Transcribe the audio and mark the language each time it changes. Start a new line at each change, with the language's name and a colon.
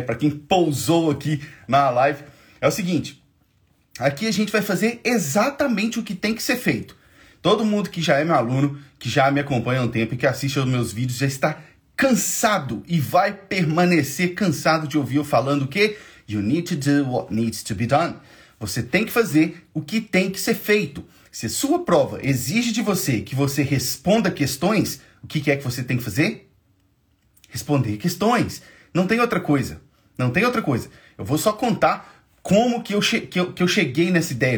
Portuguese: Para quem pousou aqui na live, é o seguinte. Aqui a gente vai fazer exatamente o que tem que ser feito. Todo mundo que já é meu aluno, que já me acompanha há um tempo e que assiste aos meus vídeos, já está cansado e vai permanecer cansado de ouvir eu falando o quê?
English: You need to do what needs to be done.
Portuguese: Você tem que fazer o que tem que ser feito. Se a sua prova exige de você que você responda questões, o que é que você tem que fazer? Responder questões. Não tem outra coisa. Não tem outra coisa. Eu vou só contar como que eu cheguei nessa ideia.